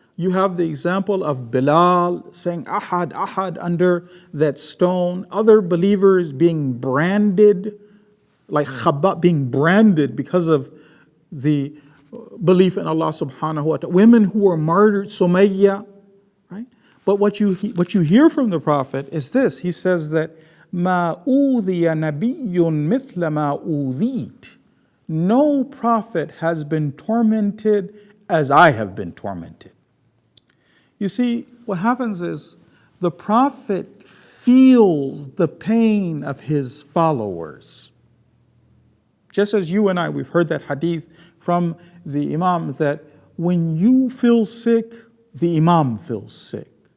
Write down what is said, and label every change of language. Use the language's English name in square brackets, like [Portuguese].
[English] You have the example of Bilal saying Ahad, Ahad under that stone. Other believers being branded, like Khabbab being branded because of the belief in Allah subhanahu wa ta'ala. Women who were martyred, Sumayya, right? But what you hear from the Prophet is this. He says that [Arabic] مَا أُوذِيَ نَبِيٌّ مِثْلَ مَا أُوذِيت. [English] No Prophet has been tormented as I have been tormented. You see, what happens is the Prophet feels the pain of his followers. Just as you and I, we've heard that hadith from the Imam that when you feel sick, the Imam feels sick.